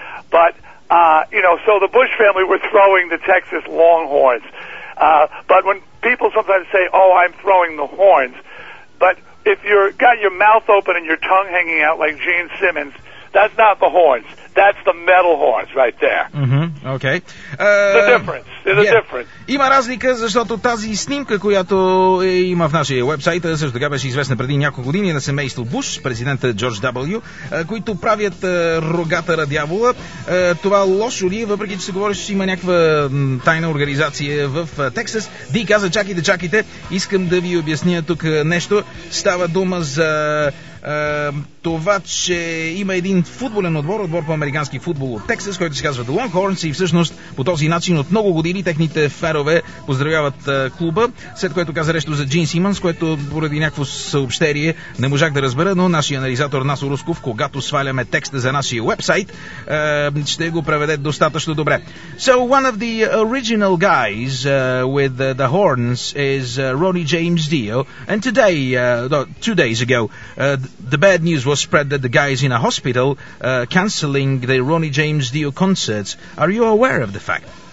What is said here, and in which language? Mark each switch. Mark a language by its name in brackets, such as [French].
[English] But, you know, so the Bush family were throwing the Texas Longhorns. But when people sometimes say, oh, I'm throwing the horns, but... if you've got your mouth open and your tongue hanging out like Gene Simmons, that's not the horns. That's the metal horns right there. Mm-hmm. Okay. The difference. [Bulgarian] Има разлика, защото тази снимка, която има в нашия уебсайт, също така беше известна преди няколко години на семейство Буш, президента Джордж W, които правят рогата на дявола. Това лошо ли е, въпреки че се говори, че има някаква тайна организация в Тексас? Ди каза, чакайте, искам да ви обясня тук нещо. Става дума за... това, че има един футболен отбор по американски футбол от Тексас, който се казва The Longhorns, и всъщност по този начин от много години техните ферове поздравяват клуба, след което каза нещо за Джин Симънс, което поради някакво съобщение не можах да разбера, но нашия анализатор Насо Русков, когато сваляме текста за нашия уебсайт, ще го преведе достатъчно добре. [English] So one of the original guys with the horns is Ronnie James Dio, and today, two days ago, the bad news was spread that the guy is in a hospital canceling the Ronnie James Dio concerts. Are you aware of the fact?